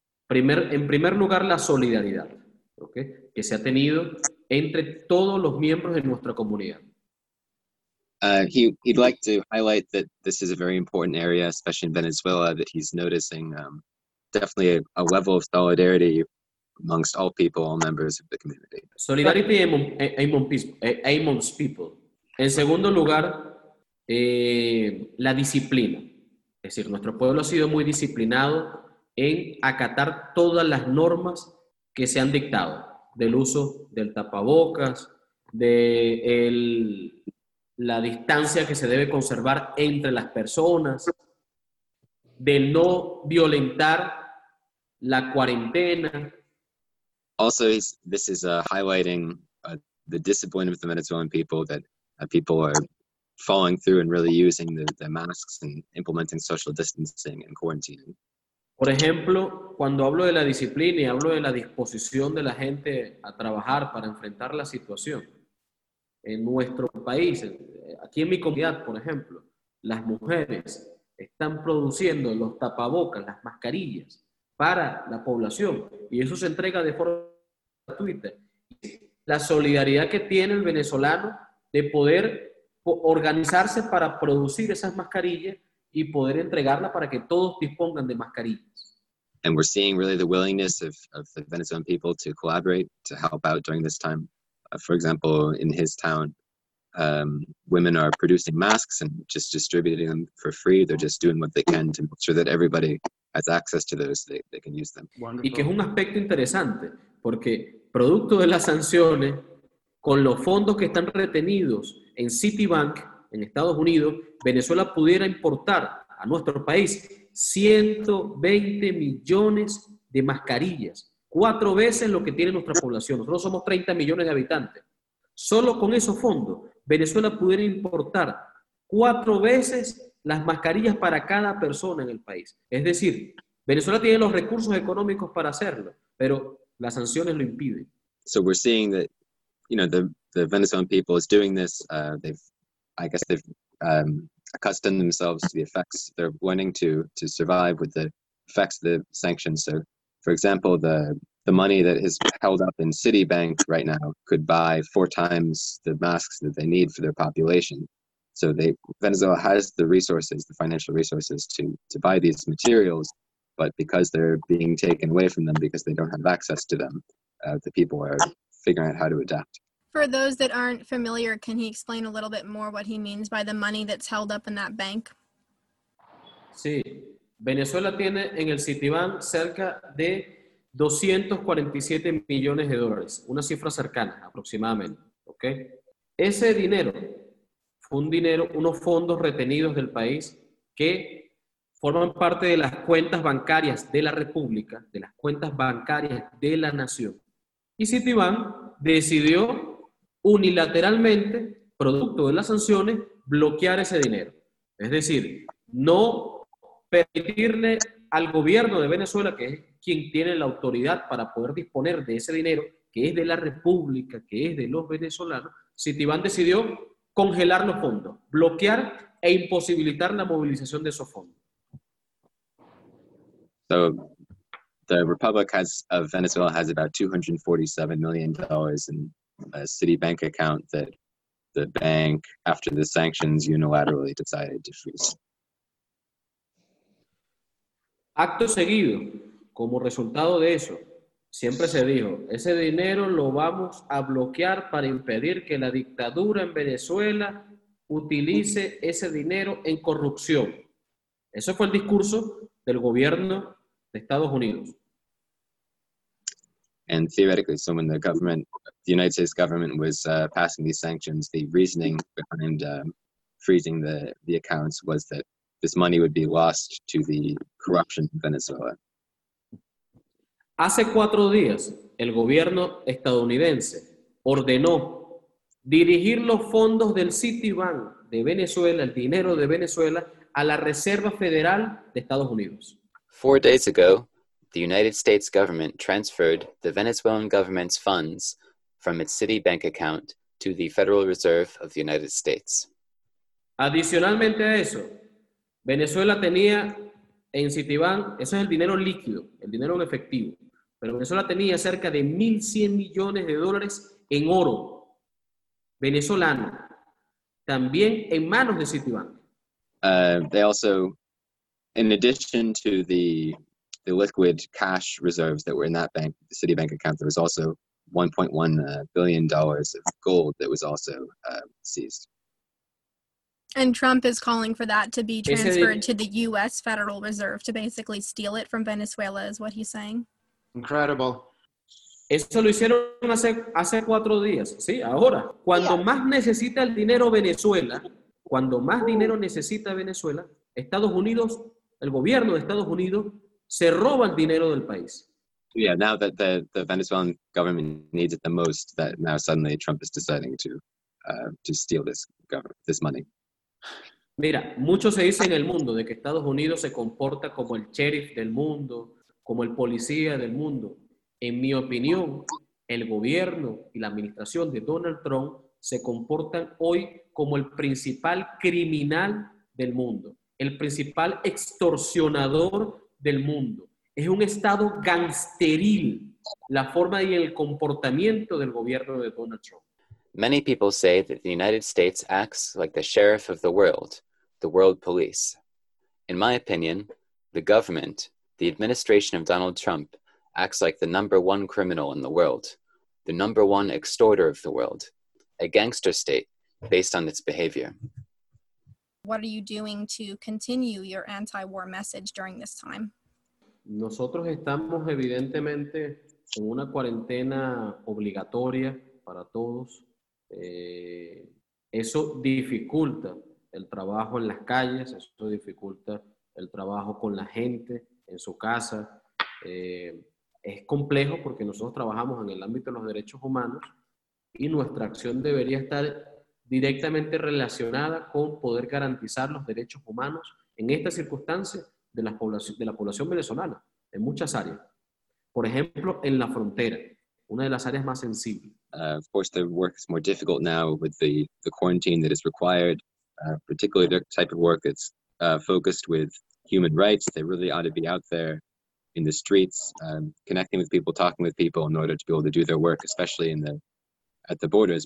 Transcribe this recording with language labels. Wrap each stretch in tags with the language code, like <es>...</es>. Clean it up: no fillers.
<es>En primer lugar, la solidaridad, ¿okay? Que se ha tenido entre todos los miembros de nuestra comunidad.</es> <en>He'd like to highlight that this is a very important area, especially in Venezuela, that he's noticing definitely a level of solidarity amongst all people, all members of the community. Solidarity amongst people.</en> <es>En segundo lugar, la disciplina. Es decir, nuestro pueblo ha sido muy disciplinado en acatar todas las normas que se han dictado, del uso del tapabocas, de la distancia que se debe conservar entre las personas, de no violentar la cuarentena.</es> <en>Also, this is highlighting the discipline of the Venezuelan people, that people are following through and really using the masks and implementing social distancing and quarantining.</en> <es>Por ejemplo, cuando hablo de la disciplina y hablo de la disposición de la gente a trabajar para enfrentar la situación, en nuestro país, aquí en mi comunidad, por ejemplo, las mujeres están produciendo los tapabocas, las mascarillas, para la población, y eso se entrega de forma gratuita. La solidaridad que tiene el venezolano de poder organizarse para producir esas mascarillas y poder entregarla para que todos dispongan de mascarillas.</es> <en>And we're seeing really the willingness of the Venezuelan people to collaborate, to help out during this time. For example, in his town, women are producing masks and just distributing them for free. They're just doing what they can to make sure that everybody has access to those, they can use them. Wonderful.</en> <es>Y que es un aspecto interesante, porque producto de las sanciones, con los fondos que están retenidos en Citibank, en Estados Unidos, Venezuela pudiera importar a nuestro país 120 millones de mascarillas cuatro veces lo que tiene nuestra población. Nosotros somos 30 millones de habitantes. Solo con esos fondos, Venezuela pudiera importar cuatro veces las mascarillas para cada persona en el país. Es decir, Venezuela tiene los recursos económicos para hacerlo, pero las sanciones lo impiden.</es> <en>So we're seeing that, you know, the Venezuelan people is doing this. They've, I guess they've accustomed themselves to the effects. They're wanting to survive with the effects of the sanctions. So, for example, the money that is held up in Citibank right now could buy four times the masks that they need for their population. So Venezuela has the resources, the financial resources to buy these materials, but because they're being taken away from them because they don't have access to them, the people are figuring out how to adapt. For those that aren't familiar, can he explain a little bit more what he means by the money that's held up in that bank?</en> <es>Sí. Venezuela tiene en el Citibank cerca de 247 millones de dólares, una cifra cercana, aproximadamente. ¿Okay? Ese dinero fue un dinero, unos fondos retenidos del país que forman parte de las cuentas bancarias de la República, de las cuentas bancarias de la nación. Y Citibank decidió unilateralmente, producto de las sanciones, bloquear ese dinero. Es decir, no permitirle al gobierno de Venezuela, que es quien tiene la autoridad para poder disponer de ese dinero, que es de la República, que es de los venezolanos, Citibank decidió congelar los fondos, bloquear e imposibilitar la movilización de esos fondos.</es> <en>So, the Republic of Venezuela has about $247 million in a Citibank account that the bank, after the sanctions, unilaterally decided to freeze.</en> <es>Acto seguido, como resultado de eso, siempre se dijo, ese dinero lo vamos a bloquear para impedir que la dictadura en Venezuela utilice ese dinero en corrupción. Eso fue el discurso del gobierno de Estados Unidos.</es> <en>And theoretically, so when the government, the United States government was passing these sanctions, the reasoning behind freezing the accounts was that this money would be lost to the corruption in Venezuela.</en> <es>Hace cuatro días, el gobierno estadounidense ordenó dirigir los fondos del Citibank de Venezuela, el dinero de Venezuela, a la Reserva Federal de Estados Unidos.</es> <en>4 days ago, the United States government transferred the Venezuelan government's funds from its Citibank account to the Federal Reserve of the United States.</en> <es>Adicionalmente a eso, Venezuela tenía en Citibank, eso es el dinero líquido, el dinero en efectivo, pero Venezuela tenía cerca de 1.100 millones de dólares en oro venezolano, también en manos de Citibank.</es> <en>They also, in addition to the liquid cash reserves that were in that bank, the Citibank account, there was also $1.1 billion of gold that was also seized. And Trump is calling for that to be transferred to the U.S. Federal Reserve to basically steal it from Venezuela, is what he's saying. Incredible.</en> <es>Eso lo hicieron hace cuatro días. Sí, ahora. Cuando más necesita el dinero Venezuela, cuando más dinero necesita Venezuela, Estados Unidos, el gobierno de Estados Unidos, se roba el dinero del país.</es> <en>Yeah, now that the Venezuelan government needs it the most, that now suddenly Trump is deciding to steal this money.</en> <es>Mira, mucho se dice en el mundo de que Estados Unidos se comporta como el sheriff del mundo, como el policía del mundo. En mi opinión, el gobierno y la administración de Donald Trump se comportan hoy como el principal criminal del mundo, el principal extorsionador del mundo. Es un estado gangsteril la forma y el comportamiento del gobierno de Donald Trump.</es> <en>Many people say that the United States acts like the sheriff of the world police. In my opinion, the government, the administration of Donald Trump, acts like the number one criminal in the world, the number one extorter of the world, a gangster state based on its behavior. What are you doing to continue your anti-war message during this time?</en> <es>Nosotros estamos evidentemente en una cuarentena obligatoria para todos. Eso dificulta el trabajo en las calles, eso dificulta el trabajo con la gente en su casa. es complejo porque nosotros trabajamos en el ámbito de los derechos humanos y nuestra acción debería estar directamente relacionada con poder garantizar los derechos humanos en estas circunstancias de la población venezolana, en muchas áreas. Por ejemplo, en la frontera, una de las áreas más sensibles.</es> <en>Of course, the work is more difficult now with the quarantine that is required, particularly the type of work that's focused with human rights. They really ought to be out there in the streets, connecting with people, talking with people in order to be able to do their work, especially in the at the borders.</en>